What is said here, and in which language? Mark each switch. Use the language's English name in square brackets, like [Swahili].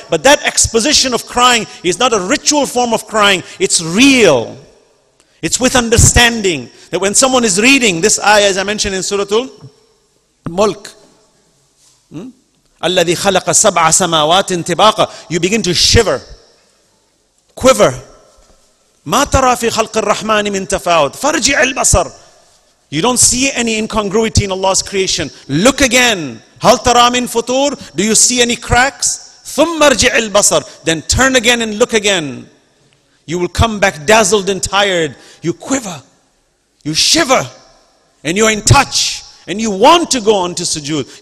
[English] But that exposition of crying is not a ritual form of crying. It's real. It's with understanding. That when someone is reading this ayah, as I mentioned in Suratul Mulk, [Arabic] الَّذِي خَلَقَ سَبْعَ سَمَاوَاتٍ تِبَاقًا, [English] you begin to shiver, quiver. [Arabic] مَا تَرَى فِي خَلْقِ الرَّحْمَانِ مِنْ تَفَاوُتٍ فَرْجِعِ الْبَصَرِ, [English] you don't see any incongruity in Allah's creation. Look again. [Arabic] هَلْ تَرَى مِنْ فُطُورٍ, [English] do you see any cracks? [Arabic] ثُمَّ ارْجِعِ الْبَصَرِ, [English] then turn again and look again. You will come back dazzled and tired. You quiver. You shiver, and you're in touch, and you want to go on to sujood.